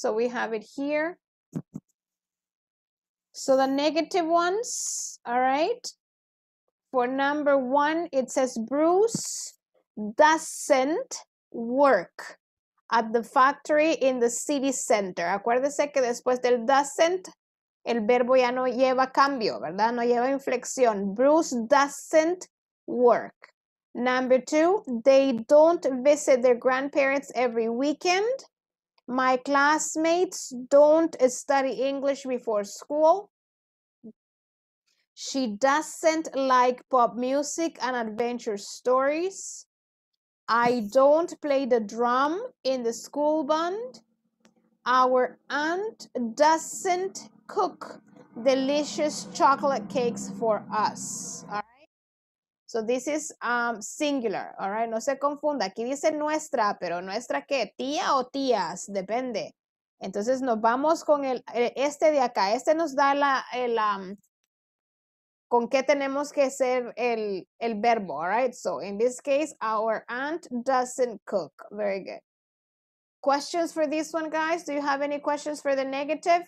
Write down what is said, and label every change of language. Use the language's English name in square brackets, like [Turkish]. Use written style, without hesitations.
[English] So we have it here. So the negative ones, all right. For number one, it says Bruce doesn't work at the factory in the city center. [Spanish] Acuérdese que después del doesn't, el verbo ya no lleva cambio, ¿verdad? No lleva inflexión. [English] Bruce doesn't work. Number two, they don't visit their grandparents every weekend. My classmates don't study English before school. She doesn't like pop music and adventure stories. I don't play the drum in the school band. Our aunt doesn't cook delicious chocolate cakes for us. All right. So this is singular. All right. [Spanish] No se confunda. Aquí dice nuestra, pero nuestra qué? Tía o tías, depende. Entonces nos vamos con este de acá. Este nos da con qué tenemos que ser el verbo, [English] all right? So in this case, our aunt doesn't cook. Very good. Questions for this one, guys? Do you have any questions for the negative?